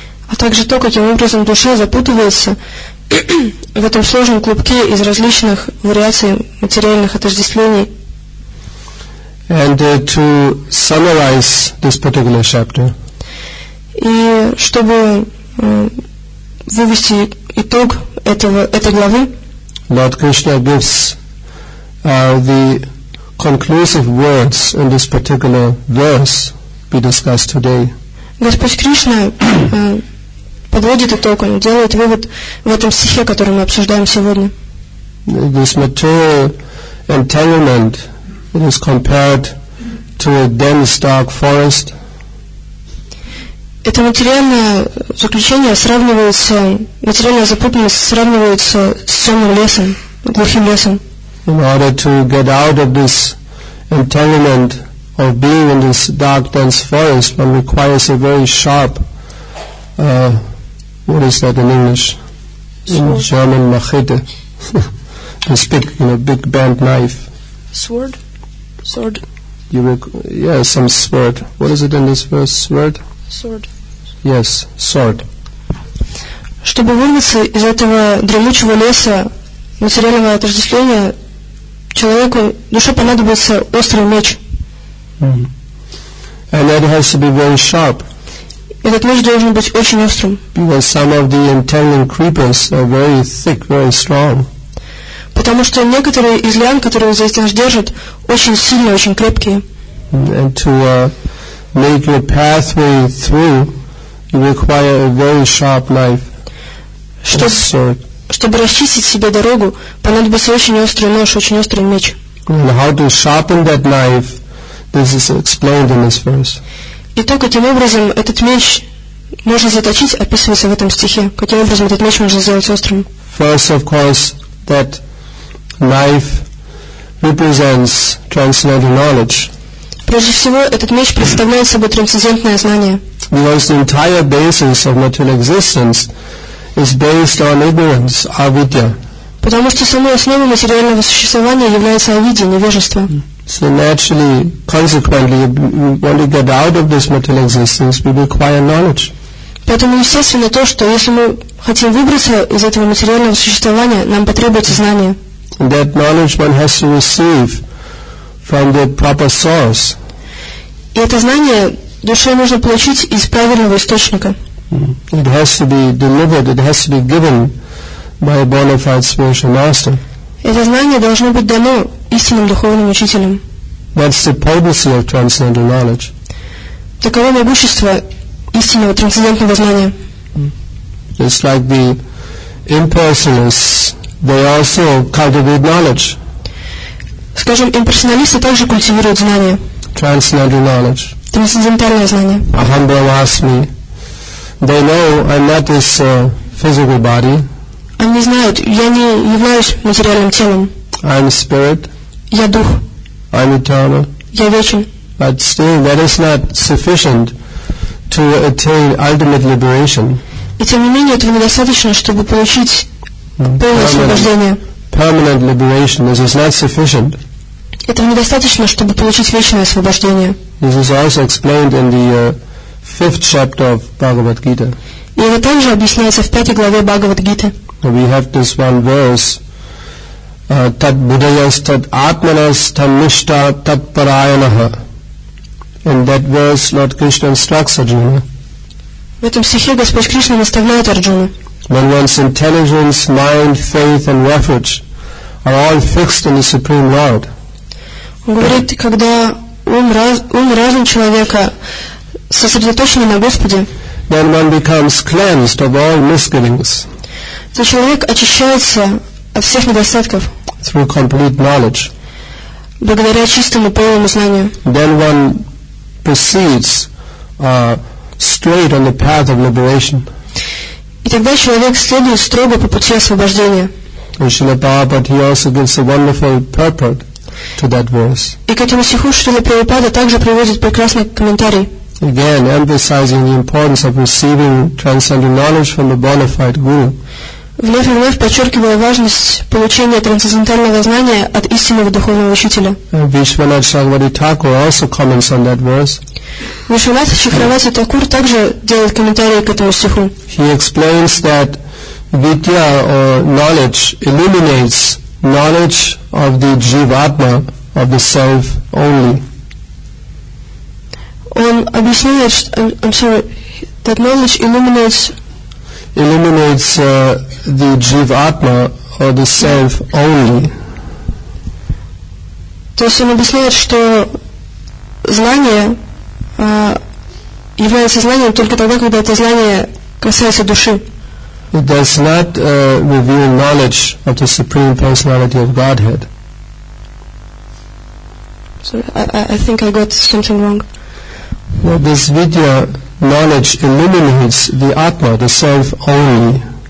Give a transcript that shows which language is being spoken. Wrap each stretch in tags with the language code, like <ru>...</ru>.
<ru>А также то, каким образом душа запутывается в этом сложном клубке из различных вариаций материальных отождествлений.</ru> <en>And to summarize this particular chapter.</en> <ru>И чтобы вывести итог этой главы.</ru> <en>Lord Krishna gives the conclusive words in this particular verse we discussed today.</en> <ru>Господь Кришна подводит итог, он делает вывод в этом стихе, который мы обсуждаем сегодня.</ru> <en>This material entanglement, it is compared to a dense dark forest.</en> <ru>Это материальное заключение сравнивается, материальная запутанность сравнивается с темным лесом, глухим лесом.</ru> <en>In order to get out of this entanglement of being in this dark, dense forest, one requires a very sharp, what is that in English? Sword. In German, machete. This big, you know, big band knife. Sword? Sword? Some sword. What is it in this verse? Sword? Sword. Yes, sword.</en> <ru>Чтобы вырваться из этого дремучего леса материального отождествления, человеку, душе понадобится острый меч.</ru> <en>And that has to be very sharp.</en> <ru>Этот меч должен быть очень острым.</ru> <en>Because some of the entangling creepers are very thick, very strong.</en> <ru>Потому что некоторые из лиан, которые за этим держат, очень сильные, очень крепкие.</ru> <en>And to make your pathway through, you require a very sharp knife.</en> <ru>Чтобы расчистить себе дорогу, понадобится очень острый нож, очень острый меч.</ru> <en>And how to sharpen that knife? This is explained in this verse.</en> <ru>И то, каким образом этот меч можно заточить, описывается в этом стихе. Каким образом этот меч можно сделать острым?</ru> <en>First, of course, that knife represents transcendental knowledge.</en> <ru>Прежде всего, этот меч представляет собой трансцендентное знание.</ru> <en>Because the entire basis of material existence is based on ignorance, avidya.</en> <ru>Потому что самой основой материального существования является авидья, невежество.</ru> <en>So naturally, consequently, when we get out of this material existence, we require knowledge.</en> <ru>Поэтому естественно то, что если мы хотим выбраться из этого материального существования, нам потребуется знание.</ru> <en>That knowledge one has to receive from the proper source.</en> <ru>И это знание душе нужно получить из правильного источника.</ru> <en>It has to be delivered, it has to be given by a bona fide spiritual master.</en> <ru>Это знание должно быть дано истинным духовным учителем.</ru> <en>That's the potency of transcendental knowledge.</en> <ru>Таково могущество истинного трансцендентного знания.</ru> <en>It's like the impersonalists, they also cultivate knowledge.</en> <ru>Скажем, имперсоналисты также культивируют знание.</ru> <en>Transcendental knowledge.</en> <ru>Трансцендентальное знание.</ru> <sa>Aham Brahmasmi.</sa> <en>They know I'm not this physical body.</en> <ru>Они знают, я не являюсь материальным телом.</ru> <en>I'm spirit.</en> <ru>Я дух.</ru> <en>I'm eternal.</en> <ru>Я вечен.</ru> <en>But still, that is not sufficient to attain ultimate liberation.</en> <ru>И тем не менее, этого недостаточно, чтобы получить полное освобождение.</ru> <en>Permanent liberation. This is not sufficient.</en> <ru>Этого недостаточно, чтобы получить вечное освобождение.</ru> <en>This is also explained in the fifth chapter of Bhagavad Gita.</en> <ru>И это также объясняется в пятой главе Бхагавад Гиты.</ru> <en>We have this one verse:</en> <sa>"Tat buddhayas tat atmanas tam nishta tat parayanah."</sa> <en>In that verse, Lord Krishna instructs Arjuna.</en> <ru>В этом стихе Господь Кришна наставляет Арджуну.</ru> <en>When one's intelligence, mind, faith, and refuge are all fixed in the Supreme Lord.</en> <ru>Он говорит, когда ум разум человека сосредоточен на Господе.</ru> <en>Then one becomes cleansed of all misgivings.</en> <ru>То человек очищается от всех недостатков.</ru> <en>Through complete knowledge.</en> <ru>Благодаря чистому полному знанию.</ru> <en>Then one proceeds straight on the path of liberation.</en> <ru>И тогда человек следует строго по пути освобождения.</ru> <en>And Srila Prabhupada, he also gives a wonderful purport to that verse.</en> <ru>И к этому стиху Шрила Прабхупада также приводит прекрасный комментарий.</ru> <en>Again, emphasizing the importance of receiving transcendental knowledge from a bona fide guru.</en> <ru>Вновь и вновь подчеркивая важность получения трансцендентального знания от истинного духовного учителя.</ru> <en>Вишванатха Чакраварти Такур also comments on that verse.</en> <ru>Вишванатха Чакраварти Такур также делает комментарии к этому стиху.</ru> <en>He explains that vidya or knowledge illuminates knowledge of the jivatma, of the self only.</en> <ru>Он объясняет,</ru> <en>I'm sorry, that knowledge illuminates the jivatma or the self only.</en> <ru>То есть он объясняет, что знание является знанием только тогда, когда это знание касается души.</ru> <en>It does not reveal knowledge of the Supreme Personality of Godhead. Sorry, I think I got something wrong. Well, this vidya knowledge illuminates the Atma, the self only.</en>